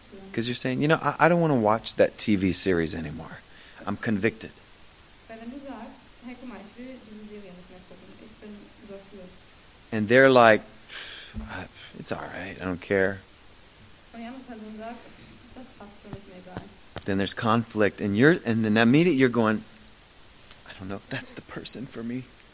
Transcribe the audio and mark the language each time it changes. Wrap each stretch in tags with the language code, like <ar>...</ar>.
<en>Because you're saying, I don't want to watch that TV series anymore. I'm convicted.</en> <de>Weil wenn du sagst, hey, guck mal, ich will diese Serie nicht mehr gucken. Ich bin überführt.</de> <en>And they're like, it's all right, I don't care. Then there's conflict, and then immediately you're going, I don't know if that's the person for me.</en>